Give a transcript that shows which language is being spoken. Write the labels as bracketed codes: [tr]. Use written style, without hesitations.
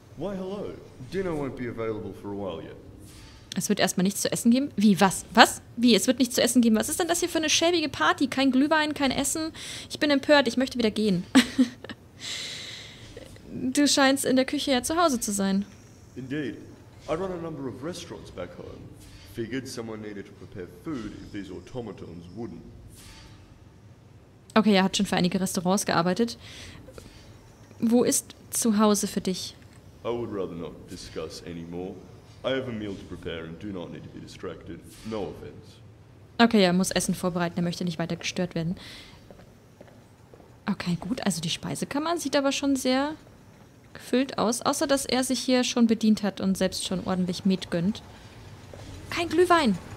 [en] Why, hello. Dinner won't be available for a while yet. [de] Es wird erstmal nichts zu essen geben. Wie, was? Was? Wie, es wird nichts zu essen geben? Was ist denn das hier für eine schäbige Party? Kein Glühwein, kein Essen? Ich bin empört, ich möchte wieder gehen. Du scheinst in der Küche ja zu Hause zu sein. [en] Indeed. I run a number of restaurants back home. Figured someone needed to prepare food if these automatons wouldn't. [de] Okay, er hat schon für einige Restaurants gearbeitet. Wo ist Zuhause für dich. [en] I would rather not discuss any more. I have a meal to prepare and do not need to be distracted. No offense. [de] Okay, er muss Essen vorbereiten, er möchte nicht weiter gestört werden. Okay, gut, also die Speisekammer sieht aber schon sehr gefüllt aus. Außer, dass er sich hier schon bedient hat und selbst schon ordentlich Met gönnt. Kein Glühwein!